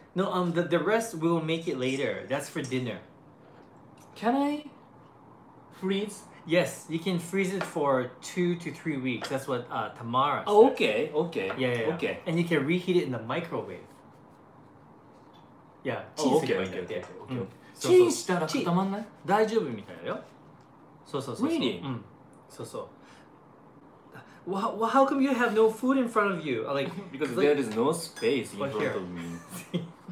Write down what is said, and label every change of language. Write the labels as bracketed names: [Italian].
[English] No, the rest we will make it later. That's for dinner. Can I freeze? Yes, you can freeze it for 2 to 3 weeks. That's what Tamara said. Oh, okay. Yeah. Okay. And you can reheat it in the microwave. Yeah. Oh, okay. [Japanese] チンしたら固まんない？大丈夫みたいだよ。そう。 [English] Really? [Japanese] そうそう。 [English] How come you have no food in front of you? Like, because there is no space in front of me.